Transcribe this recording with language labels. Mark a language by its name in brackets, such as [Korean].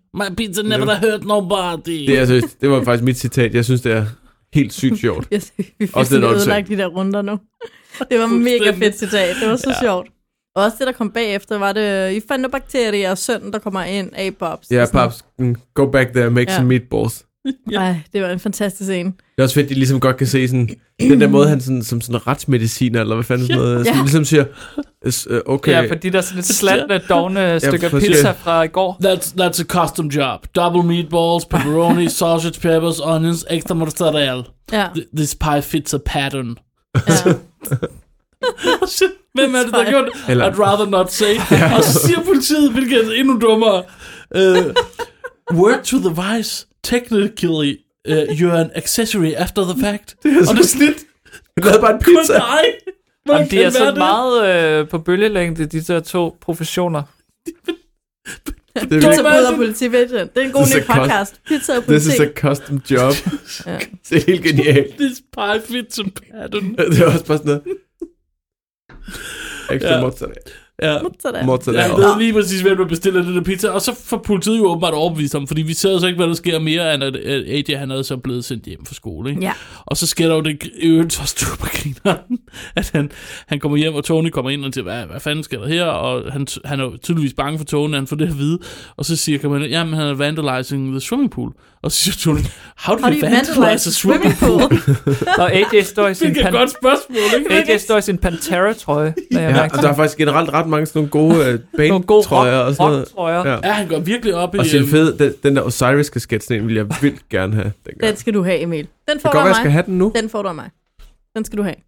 [English] My pizza never hurt nobody. [Danish] Det er seriøst. Det var faktisk mit citat. Jeg synes, det er helt sygt sjovt. Yes, vi fik ødelagt de der runder nu. Det var mega fedt citat. Det var så sjovt. Også det, der kom bagefter, var det, I fandt noget bakterier, og sønnen, der kommer ind, A-Pops. [English] Ja, Pops, go back there, make some meatballs. [Danish] Ja. Ej, det var en fantastisk scene. Det er også fedt, at I ligesom godt kan se sådan, den der måde, han sådan, som sådan retsmedicin, eller hvad fanden sådan noget, sådan, ligesom siger, okay. Ja, fordi der er sådan et slatende, dovne stykke pizza fra i går. [English] That's a custom job. Double meatballs, pepperoni, sausage, peppers, onions, extra mozzarella. Yeah. This pie fits a pattern. Yeah. [Danish] Hvem er det, der gjorde det? [English] I'd rather not say. [Danish] Og så siger politiet, hvilket er endnu dummere. [English] Word to the vice. Technically, you're an accessory after the fact. [Danish] Og det er snit. Jeg lavede bare en pizza. Nej. Jamen, de er så meget på bølgelængde, de der to professioner. Pizza bryder politivæsen. Det er en god ny podcast. Pizza og politi. [English] This is a custom job. [Danish] Det er helt genialt. [English] This pie fits a pattern. [Danish] Det er også bare sådan noget. Ekstra mozzarella. Ja, det er lige præcis, hvem der bestiller den der pizza. Og så får politiet jo åbenbart overbevist om, fordi vi ser så ikke, hvad der sker mere, end at AJ, han havde så blevet sendt hjem fra skole. Ikke? Ja. Og så sker der jo det øvrigt så stupergrineren, at han kommer hjem, og Tony kommer ind og siger, hvad fanden sker der her? Og han er tydeligvis bange for Tony, han får det at vide. Og så siger han, jamen han er [English] vandalizing the swimming pool. [Danish] Og så siger Tony, [English] how do you vandalize a swimming pool? [Danish] Og AJ står i sin Pantera. Det er godt spørgsmål, ikke? AJ står i sin Pantera-trøje. Ja, og der er faktisk generelt ret mange sådan nogle gode band-trøjer. Nogle gode rock-trøjer. Ja, han går virkelig op i... Og sin fede, den der Osiris-kasket, sådan en vil jeg vildt gerne have. Den skal du have, Emil. Den får du af mig. Jeg skal have den nu. Den får du af mig. Den skal du have.